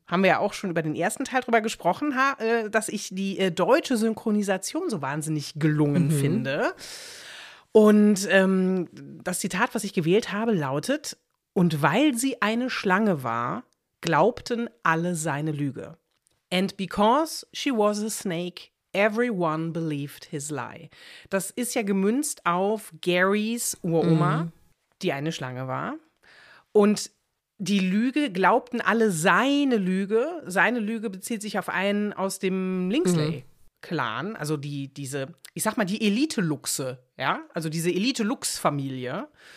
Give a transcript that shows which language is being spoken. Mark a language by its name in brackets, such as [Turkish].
[German] Haben wir ja auch schon über den ersten Teil drüber gesprochen, dass ich die deutsche Synchronisation so wahnsinnig gelungen finde. Und das Zitat, was ich gewählt habe, lautet: Und weil sie eine Schlange war, glaubten alle seine Lüge. [English] And because she was a snake, everyone believed his lie. [German] Das ist ja gemünzt auf Garys Uroma, die eine Schlange war. Und die Lüge, glaubten alle seine Lüge. Seine Lüge bezieht sich auf einen aus dem Linksley-Clan, also die, diese, ich sag mal, die Elite-Luchse, ja, also diese Elite-Lux-Familie.